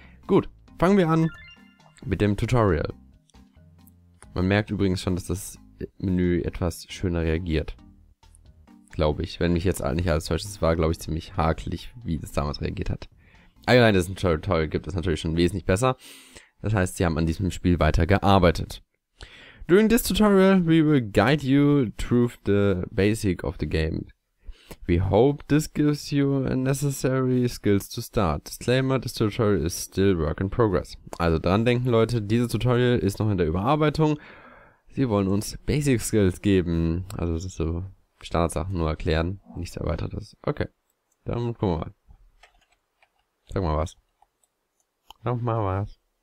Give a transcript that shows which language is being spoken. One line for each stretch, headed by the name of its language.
German: Gut, fangen wir an mit dem Tutorial. Man merkt übrigens schon, dass das Menü etwas schöner reagiert. Glaube ich. Wenn mich jetzt nicht alles täuscht, es war, glaube ich, ziemlich hakelig, wie das damals reagiert hat. Allgemein, das Tutorial gibt es natürlich schon wesentlich besser. Das heißt, sie haben an diesem Spiel weiter gearbeitet.
English: During this tutorial, we will guide you through the basic of the game. We hope this gives you necessary skills to start. Disclaimer, this tutorial is still work in progress.
German: Also dran denken, Leute, dieses Tutorial ist noch in der Überarbeitung. Sie wollen uns Basic Skills geben. Also das ist so Standardsachen nur erklären, nichts Erweitertes. Okay, dann gucken wir mal. Sag mal was. Sag mal was.